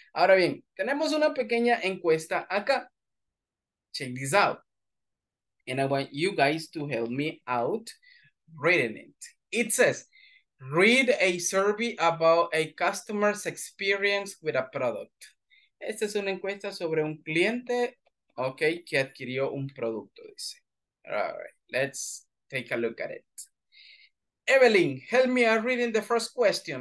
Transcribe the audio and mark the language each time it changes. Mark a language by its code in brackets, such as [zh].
[es] Ahora bien, tenemos una pequeña encuesta acá. [en] Check this out. And I want you guys to help me out reading it. It says, read a survey about a customer's experience with a product. [es] Esta es una encuesta sobre un cliente, okay, que adquirió un producto, dice. [en] All right. Let's take a look at it. Evelyn, help me out reading the first question.